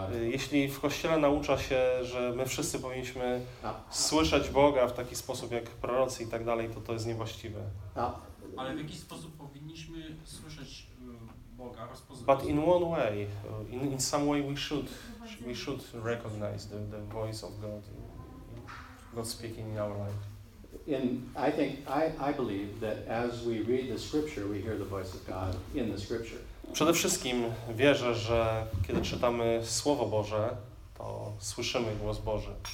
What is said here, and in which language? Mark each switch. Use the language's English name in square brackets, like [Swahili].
[Polish] Jeśli w Kościele naucza się, że my wszyscy powinniśmy słyszeć Boga w taki sposób jak prorocy i tak dalej, to jest niewłaściwe. Ale w jaki sposób powinniśmy słyszeć Boga, rozpoznać? [English] But in one way, in some way we should recognize the voice of God, God speaking in our life. And I think I believe that as we read the scripture we hear the voice of God in the scripture. [Polish] Przede wszystkim wierzę, że kiedy czytamy słowo Boże, to słyszymy głos Boży.